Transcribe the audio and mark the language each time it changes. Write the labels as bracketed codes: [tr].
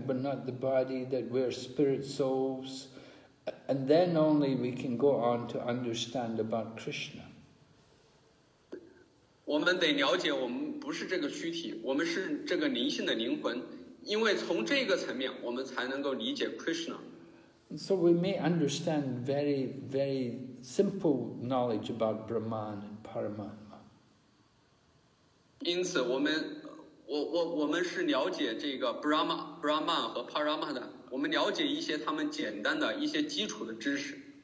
[en] we're not the body, that we're spirit souls, and then only we can go on to understand about Krishna. [zh] 我们得了解我们不是这个躯体，我们是这个灵性的灵魂，因为从这个层面我们才能够理解 Krishna。 [en] So we may understand very very simple knowledge about Brahman and Paramatma。 [zh] 因此我们是了解这个 Brahman 和 Paramatma 的，我们了解一些他们简单的一些基础的知识。